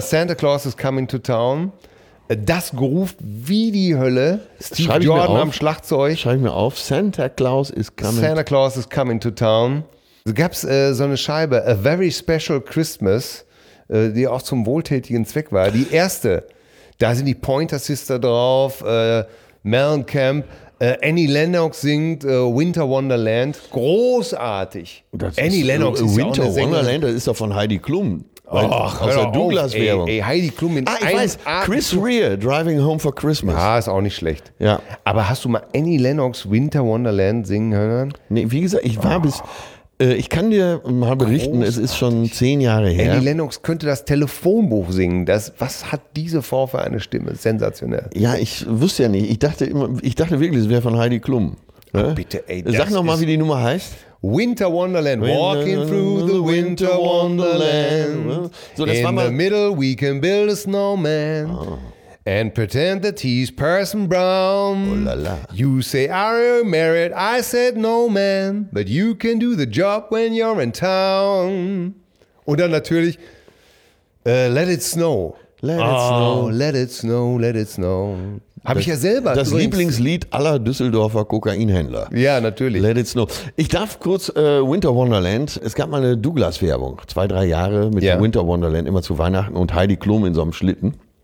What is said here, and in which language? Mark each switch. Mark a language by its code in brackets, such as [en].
[en] Santa Claus is coming to town. [de] Das geruft wie die Hölle. Steve Schreib Jordan am Schlagzeug. Schreib ich mir auf. [en] Santa Claus is coming. Santa Claus is coming to town. [de] Da gab es so eine Scheibe, A Very Special Christmas, die auch zum wohltätigen Zweck war. Die erste, da sind die Pointer Sister drauf, Mellencamp, Annie Lennox singt Winter Wonderland. Großartig. Annie Lennox ist Winter Wonderland, das ist doch von Heidi Klum. Ach, aus der Douglas-Werbung. Ey, Heidi Klum in Chris Rea, Driving Home for Christmas. Ah, ist auch nicht schlecht. Ja. Aber hast du mal Annie Lennox Winter Wonderland singen hören? Nee, wie gesagt, ich war bis... Ich kann dir mal berichten, Großartig. Es ist schon 10 Jahre her. Annie Lennox könnte das Telefonbuch singen. Was hat diese Frau für eine Stimme? Sensationell. Ja, ich wusste ja nicht. Ich dachte wirklich, es wäre von Heidi Klum. Oh, bitte, ey. Sag noch mal, wie die Nummer heißt. Winter Wonderland. [en] Walking through the winter wonderland. [de] So, das [en] In [de] war mal [en] the middle we can build a snowman. Oh. And pretend that he's Person Brown. Oh la la. You say, are you married? I said, no, man. But you can do the job when you're in town. [de] Und dann natürlich, [en] let it snow. Let it snow. [de] Habe ich ja selber. Das Lieblingslied aller Düsseldorfer Kokainhändler. Ja, natürlich. [en] Let it snow. [de] Ich darf kurz Winter Wonderland. Es gab mal eine Douglas-Werbung. 2-3 Jahre mit dem Winter Wonderland. Immer zu Weihnachten. Und Heidi Klum in so einem Schlitten.